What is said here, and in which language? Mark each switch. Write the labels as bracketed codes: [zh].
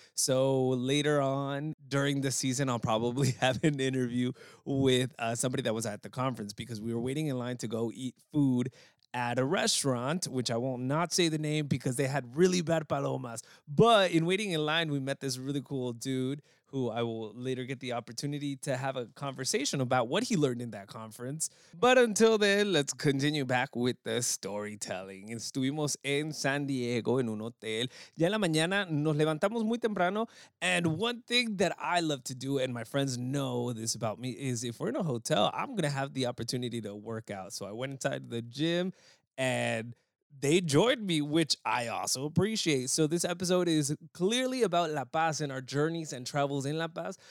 [en] So later on during the season, I'll probably have an interview with somebody that was at the conference because we were waiting in line to go eat food at a restaurant, which I will not say the name because they had really bad palomas. But in waiting in line, we met this really cool dude who I will later get the opportunity to have a conversation about what he learned in that conference. But until then, let's continue back with the storytelling. [es] Estuvimos en San Diego en un hotel. Ya en la mañana nos levantamos muy temprano. [en] And one thing that I love to do, and my friends know this about me, is if we're in a hotel, I'm going to have the opportunity to work out. So I went inside the gym and they joined me, which I also appreciate. So this episode is clearly about La Paz and our journeys and travels in La Paz.